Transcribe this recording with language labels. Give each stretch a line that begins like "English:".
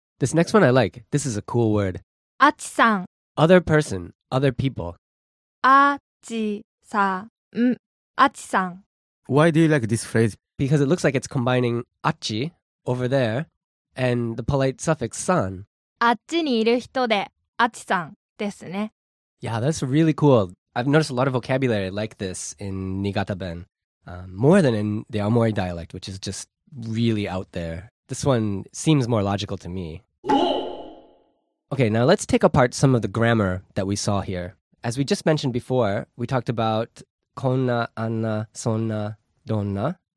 English: This next one I like. This is a cool word.
Japanese: あちさん。
English: Other person, other people.
Japanese: あちさん。あちさん。
English: Why do you like this phrase? Because it looks like it's combining achi, over there, and the polite suffix san.
Japanese: あっちにいる人であちさんですね。
English: Yeah, that's really cool. I've noticed a lot of vocabulary like this in Niigata Ben, more than in the Aomori dialect, which is just really out there. This one seems more logical to me. Okay, now let's take apart some of the grammar that we saw here. As we just mentioned before, we talked about konna, anna, sonna, donna.